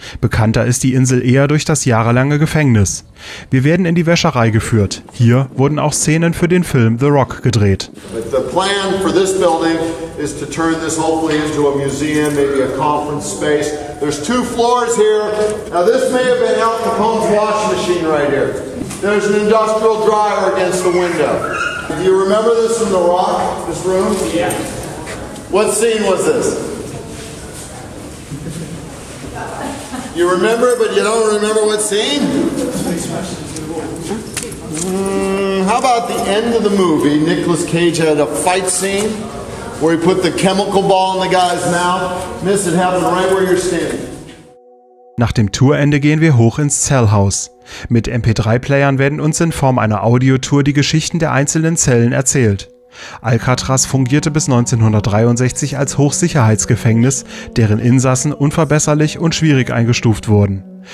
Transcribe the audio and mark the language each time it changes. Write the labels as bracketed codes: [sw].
[de] Bekannter ist die Insel eher durch das jahrelange Gefängnis. Wir werden in die Wäscherei geführt. Hier wurden auch Szenen für den Film The Rock gedreht. [en] The plan for this building is to turn this hopefully into a museum, maybe a conference space. There's two floors here. Now this may have been Al Capone's washing machine right here. There's an industrial dryer against the window. Do you remember this from The Rock, this room? Yeah. What scene was this? You remember it, but you don't remember what scene? How about the end of the movie, Nicolas Cage had a fight scene where he put the chemical ball in the guy's mouth. Miss, it happened right where you're standing. [de] Nach dem Tourende gehen wir hoch ins Zellhaus. Mit MP3-Playern werden uns in Form einer Audiotour die Geschichten der einzelnen Zellen erzählt. Alcatraz fungierte bis 1963 als Hochsicherheitsgefängnis, deren Insassen unverbesserlich und schwierig eingestuft wurden.